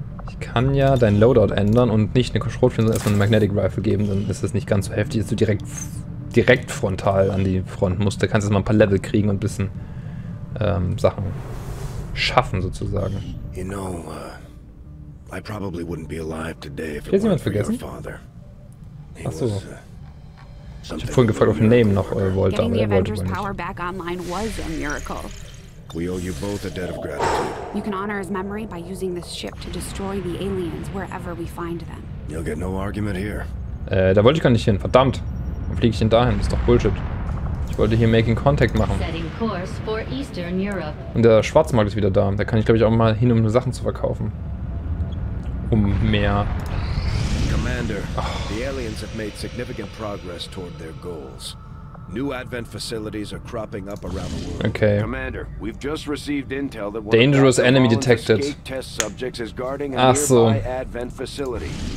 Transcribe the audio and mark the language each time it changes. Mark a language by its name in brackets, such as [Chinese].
[German] Ich kann ja dein Loadout ändern und nicht eine Schrotflinte, sondern erstmal eine Magnetic Rifle geben, dann ist das nicht ganz so heftig, dass du direkt frontal an die Front musst. Da kannst du erstmal ein paar Level kriegen und ein bisschen Sachen schaffen, sozusagen. [English] You know, I probably wouldn't be alive today if it weren't for your father. [German] Achso. Ich hab vorhin gefragt, ob ein Name noch wollte, aber er wollte nicht. [English] We owe you both a debt of gratitude. You can honor his memory by using this ship to destroy the aliens wherever we find them. You'll get no argument here. [German] Da wollte ich gar nicht hin. Verdammt. Wo fliege ich denn dahin? Das ist doch Bullshit. Ich wollte hier Making Contact machen. [English] Setting course for Eastern Europe. [German] Und der Schwarzmarkt ist wieder da. Da kann ich, glaube ich, auch mal hin, um Sachen zu verkaufen. Um mehr. [English] Commander, the aliens have made significant progress toward their goals. New Advent facilities are cropping up around the world. Okay. Commander, we've just received intel that dangerous enemy detected. Test subjects is guarding a nearby Advent facility.